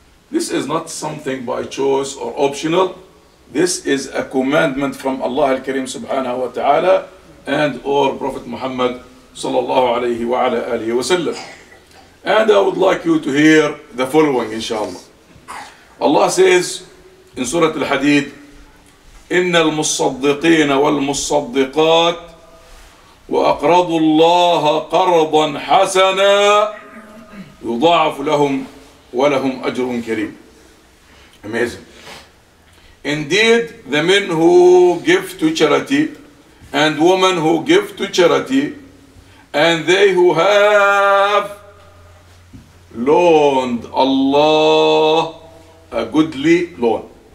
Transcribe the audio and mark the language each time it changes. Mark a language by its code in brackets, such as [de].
[en] This is not something by choice or optional. This is a commandment from Allah al-Kareem subhanahu wa ta'ala and or Prophet Muhammad sallallahu alayhi wa ala alihi wa sallam. And I would like you to hear the following, inshallah. Allah says in Surah Al-Hadid, [ar] إِنَّ الْمُصَّدِّقِينَ وَالْمُصَّدِّقَاتِ وَأَقْرَضُوا اللَّهَ قَرْضًا حَسَنًا يُضَاعَفُ لَهُمْ وَلَهُمْ أَجْرٌ كَرِيمٌ. [en] Amazing. Indeed, the men who give to charity and women who give to charity and they who have loaned Allah a goodly loan.